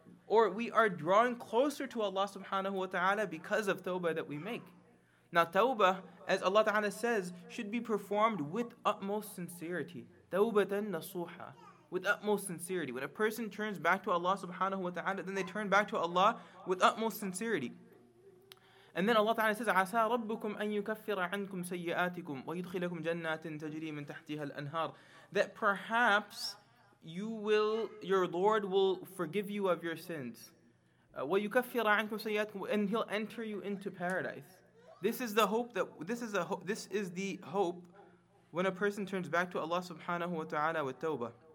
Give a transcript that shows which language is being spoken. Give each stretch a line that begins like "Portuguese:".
English: Or we are drawing closer to Allah subhanahu wa ta'ala because of tawbah that we make. Now tawbah, as Allah ta'ala says, should be performed with utmost sincerity. Tawbatan nasuha, with utmost sincerity. When a person turns back to Allah subhanahu wa ta'ala, then they turn back to Allah with utmost sincerity. And then Allah ta'ala says,
Arabic: عَسَى رَبُّكُمْ أَن يُكَفِّرَ عَنْكُمْ سَيِّئَاتِكُمْ وَيُدْخِلَكُمْ جَنَّاتٍ تَجْرِي مِنْ تَحْتِهَا الْأَنْهَارِ.
English: That perhaps your Lord will forgive you of your sins.
Arabic: وَيُكَفِّرَ عَنْكُمْ سَيِّئَاتِكُمْ,
English: and He'll enter you into paradise. This is the hope when a person turns back to Allah subhanahu wa ta'ala with tawbah.